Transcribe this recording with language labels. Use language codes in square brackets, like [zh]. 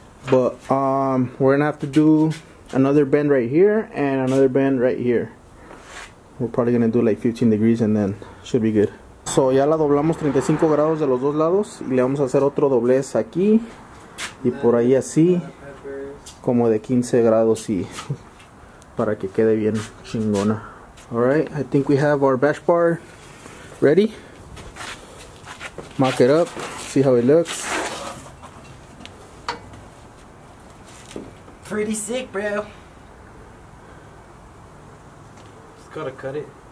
[en] But we're gonna have to do another bend right here and another bend right here. We're probably gonna do like 15 degrees and then should be good. [es] So ya la doblamos 35 grados de los dos lados y le vamos a hacer otro doblez aquí. Y por ahí así, como de 15 grados y para que quede bien chingona. [en] Alright, I think we have our bash bar ready. Mock it up, see how it looks. Pretty sick, bro. Just gotta cut it.